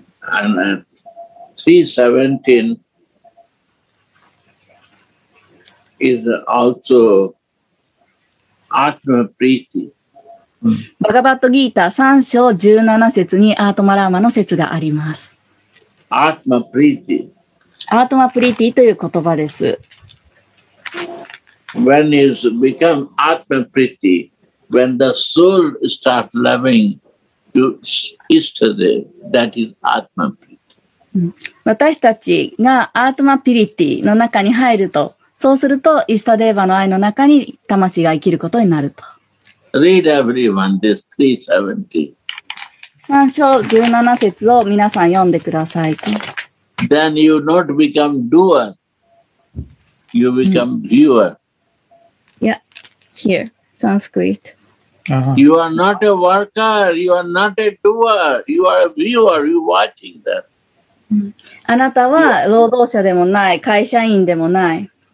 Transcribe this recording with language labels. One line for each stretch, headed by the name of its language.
English: And 317 is also Atma Priti.
Japanese: バガバットギータ3章17節にアートマラーマの説があります。アートマプリティ、アートマプリティという言葉です。
English: When is become atma priti, when the soul starts loving to Ishtadev, that is atma priti.
Japanese: 私たちがアートマプリティの中に入ると、そうするとイスタデーバの愛の中に魂が生きることになると。
English: Read everyone this 317.
Japanese: 3章17節を皆さん読んでください。
English: Then you not become doer, you become viewer. Yeah, here, Sanskrit. You are not a worker, you are not a doer, you are a viewer, you're watching them.
Japanese: あなたは労働者でもない、会社員でもない。